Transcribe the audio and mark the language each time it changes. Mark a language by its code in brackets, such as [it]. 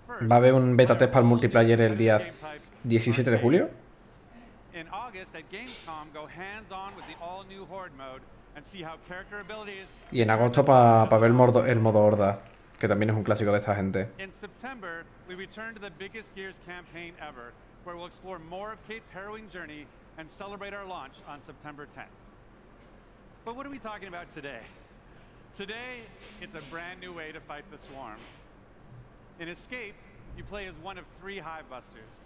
[es] Va a haber un beta test para el multiplayer el día 17 de julio. [en] In August at Gamescom go hands on with the all new horde mode and see how character abilities. [es] Y en agosto pa ver el modo horda, que también es un clásico de esta gente. [en] In September we return to the biggest Gears campaign ever, where we'll explore more of Kate's harrowing journey and celebrate our launch on September 10th. But what are we talking about today? Today it's a brand new way to fight the swarm. In Escape you play as one of three hive busters.